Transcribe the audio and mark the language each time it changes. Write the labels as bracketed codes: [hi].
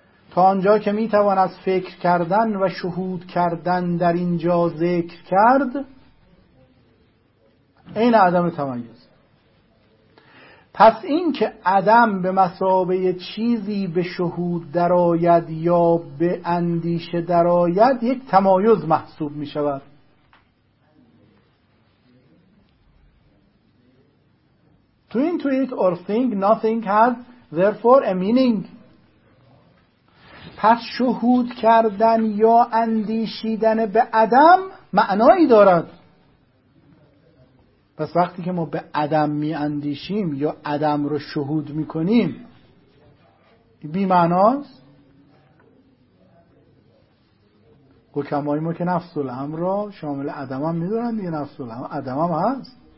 [fa] تا آنجا که میتوان از فکر کردن و شهود کردن در اینجا ذکر کرد، این عدم تمیز. پس این که عدم به مثابه چیزی به شهود درآید یا به اندیشه درآید یک تمایز محسوب می شود. [en] To intuit or think nothing has therefore a meaning. [fa] پس شهود کردن یا اندیشیدن به عدم معنایی دارد. پس وقتی که ما به عدم می اندیشیم یا عدم رو شهود می کنیم بی معناست؟ حکمای ما که نفس الامر را شامل عدم هم می دونن دیگه، نفس الامر عدم هم هست.